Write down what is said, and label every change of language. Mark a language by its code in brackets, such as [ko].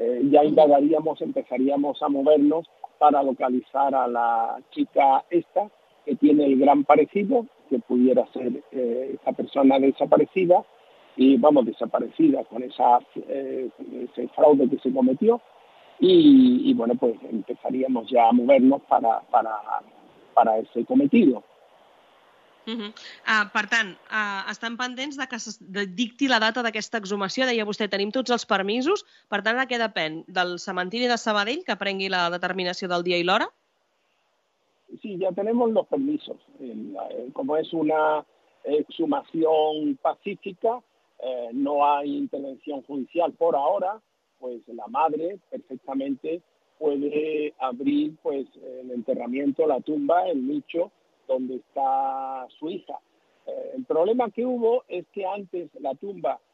[es] Ya indagaríamos, empezaríamos a movernos para localizar a la chica esta, que tiene el gran parecido, que pudiera ser esa persona desaparecida, y vamos, desaparecida con ese fraude que se cometió. Y bueno, pues empezaríamos ya a movernos para ese cometido. [ca] Per tant, estan pendents de que es dicti la data d'aquesta exhumació. Deia vostè, tenim tots els permisos. Per tant, ara què depèn? Del cementiri de Sabadell, que prengui la determinació del dia i l'hora? [es] Sí, ya tenemos los permisos. Como es una exhumación pacífica, no hay intervención judicial por ahora, pues la madre perfectamente puede abrir pues el enterramiento, la tumba, el nicho donde está su hija. El problema que hubo es que antes la tumba